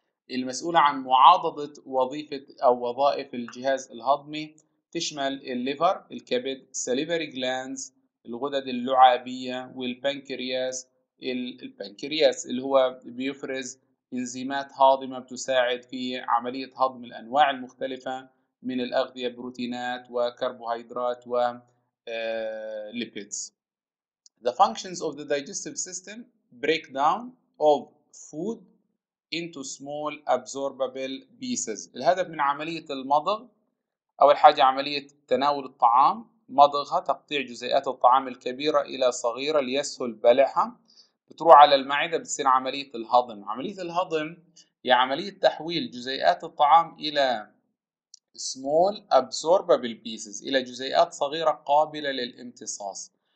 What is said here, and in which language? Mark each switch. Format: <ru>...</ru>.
<ar>المسؤولة عن معاضدة وظيفة او وظائف الجهاز الهضمي، تشمل الليفر الكبد، سليفري جلانز الغدد اللعابية، والبنكرياس البنكرياس اللي هو بيفرز انزيمات هاضمة بتساعد في عملية هضم الانواع المختلفة من الاغذية، بروتينات وكربوهيدرات وليبيدز.</ar> <en>The functions of the digestive system: breakdown of food into small absorbable pieces.</en> <ar>الهدف من عملية المضغ، أول حاجة عملية تناول الطعام، مضغها تقطيع جزيئات الطعام الكبيرة إلى صغيرة ليسهل بلعها، بتروح على المعدة بتصير عملية الهضم. عملية الهضم هي عملية تحويل جزيئات الطعام إلى</ar> <en>small absorbable pieces،</en> <ar>إلى جزيئات صغيرة قابلة للامتصاص.</ar>